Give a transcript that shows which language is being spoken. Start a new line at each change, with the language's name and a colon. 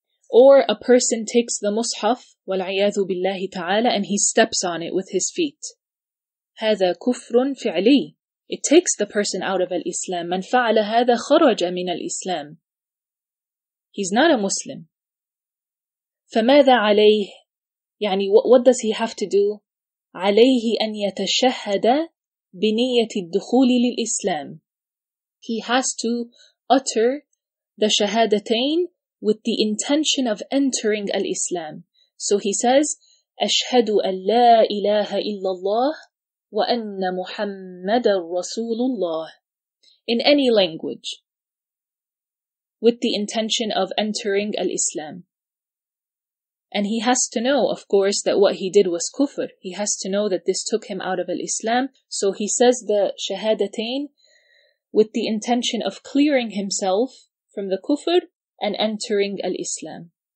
English: Or a person takes the mushaf,
Arabic: وَالْعِيَاذُ بِاللَّهِ تَعَالَى,
English: and he steps on it with his feet.
Arabic: هذا كفر فعلي.
English: It takes the person out of al-Islam.
Arabic: مَنْ فَعَلَ هَذَا خَرَجَ مِنَ الْإِسْلَامِ.
English: He's not a Muslim.
Arabic: فَمَاذَا عَلَيْهِ, يعني
English: what does he have to do?
Arabic: عَلَيْهِ أَنْ يَتَشَهَّدَ بِنِيَّةِ الدُّخُولِ لِلْإِسْلَامِ.
English: He has to utter the shahadatain with the intention of entering al-Islam. So he says,
Arabic: أشهد أن لا إله إلا الله وأن محمد رسول الله.
English: In any language, with the intention of entering al-Islam. And he has to know, of course, that what he did was kufr. He has to know that this took him out of al-Islam. So he says the shahadatain with the intention of clearing himself from the kufr and entering al-Islam.